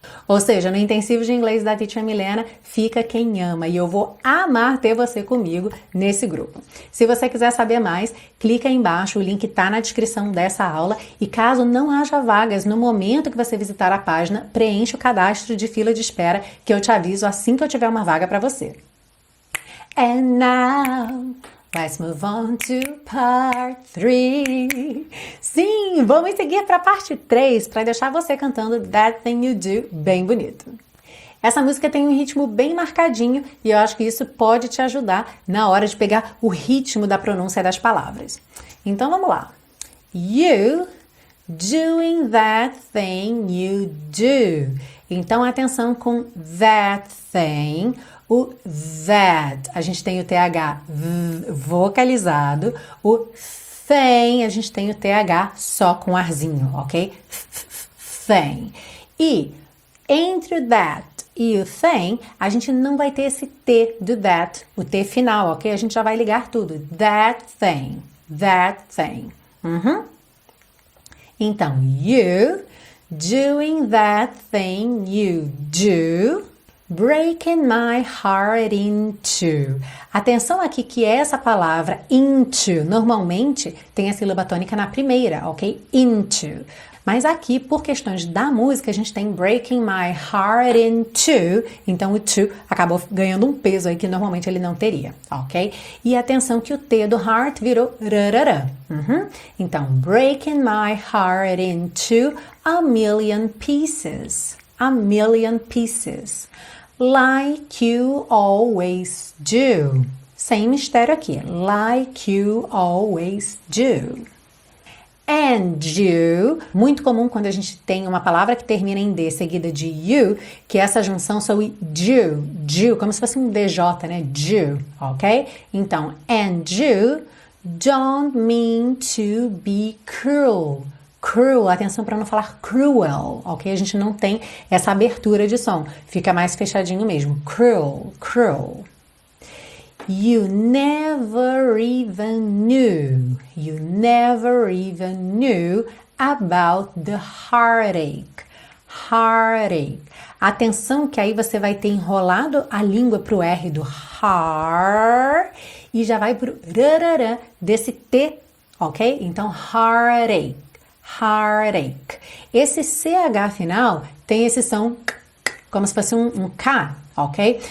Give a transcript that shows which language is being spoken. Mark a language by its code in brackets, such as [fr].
[pt] Ou seja, no intensivo de inglês da Teacher Milena, fica quem ama e eu vou amar ter você comigo nesse grupo. Se você quiser saber mais, clica aí embaixo, o link está na descrição dessa aula e caso não haja vagas no momento que você visitar a página, preencha o cadastro de fila de espera que eu te aviso assim que eu tiver uma vaga para você. [en] And now, let's move on to part 3. [pt] Sim, vamos seguir para a parte 3 para deixar você cantando That Thing You Do bem bonito. Essa música tem um ritmo bem marcadinho e eu acho que isso pode te ajudar na hora de pegar o ritmo da pronúncia das palavras. Então vamos lá. [en] You doing that thing you do. [pt] Então atenção com [en] that thing. [pt] O that, a gente tem o TH vocalizado. O thing, a gente tem o TH só com arzinho, ok? Thing. E entre o that e o thing, a gente não vai ter esse T do that, o T final, ok? A gente já vai ligar tudo. [en] That thing. That thing. Então, you doing that thing you do. Breaking my heart into. [pt] Atenção aqui que essa palavra into normalmente tem a sílaba tônica na primeira, ok? Into. Mas aqui, por questões da música, a gente tem [en] breaking my heart into. [pt] Então, o to acabou ganhando um peso aí que normalmente ele não teria, ok? E atenção que o T do heart virou rarara. [en] Então, breaking my heart into a million pieces. A million pieces. Like you always do. [pt] Sem mistério aqui. [en] Like you always do. And you. [pt] Muito comum quando a gente tem uma palavra que termina em D seguida de you, que essa junção soa do, como se fosse um DJ, né? Do, ok? [en] Então, and you don't mean to be cruel. [pt] Cruel, atenção para não falar cruel, ok? A gente não tem essa abertura de som, fica mais fechadinho mesmo. [en] Cruel, cruel. You never even knew, you never even knew about the heartache. Heartache. [pt] Atenção que aí você vai ter enrolado a língua para o R do har e já vai para o rarara desse T, ok? Então, heartache. Heartache. Esse CH final tem esse som como se fosse um K, ok?